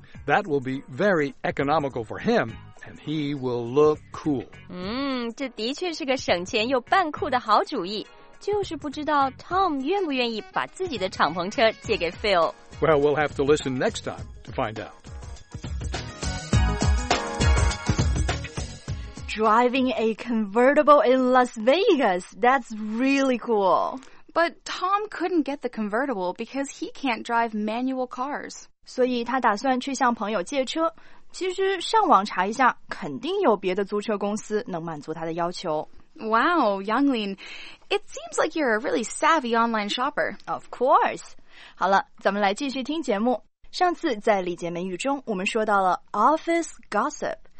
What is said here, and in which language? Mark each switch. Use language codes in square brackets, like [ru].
[en] That will be very economical for him, and he will look cool. [zh] 这的确是个省钱又办酷的好主意。就是不知道 Tom 愿不愿意把自己的敞篷车借给 Phil。 [en] Well, we'll have to listen next time to find out. Driving a convertible in Las Vegas, that's really cool. But Tom couldn't get the convertible because he can't drive manual cars. [zh] 所以他打算去向朋友借车。其实上网查一下，肯定有别的租车公司能满足他的要求。 [en] Wow, Yanglin, it seems like you're a really savvy online shopper. Of course. [zh] 好了，咱们来继续听节目。上次在李姐美语中，我们说到了 office gossip。